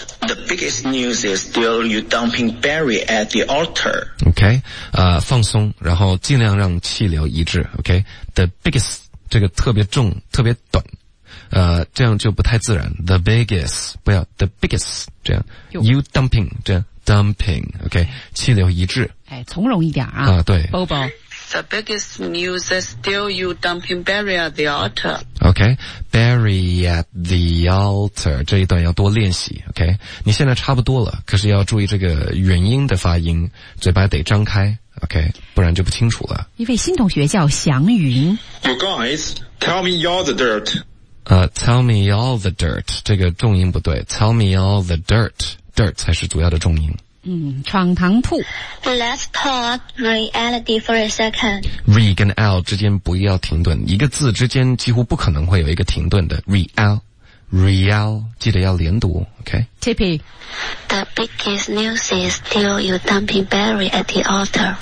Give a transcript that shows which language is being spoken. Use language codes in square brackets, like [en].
[en] The biggest news is still you dumping Barry at the altar. [zh] OK， 放松，然后尽量让气流一致。 [en] OK， the biggest [zh] 这个特别重，特别短，这样就不太自然。 [en] The biggest [zh] 不要 [en] the biggest [zh] 这样 [en] ，you dumping 这样。 Dumping, OK, [zh] 气流一致。哎，从容一点啊。啊，对。 Bobo. [en] The biggest news is still you dumping Barry at the altar. OK, Barry at the altar, [zh] 这一段要多练习 [en] ,OK? [zh] 你现在差不多了，可是要注意这个元音的发音，嘴巴得张开 ,OK? 不然就不清楚了。一位新同学叫祥云。 [en] You guys, tell me all the dirt. Tell me all the dirt, [zh] 这个重音不对 [en] ,tell me all the dirt. [zh] Dirt 才是主要的重音。嗯，闯堂兔。 [en] Let's talk reality for a second. [zh] Re 跟 L 之间不要停顿，一个字之间几乎不可能会有一个停顿的。 Real， 记得要连读。OK。 Tippy。 [en] The biggest news is still you dumping Barry at the altar.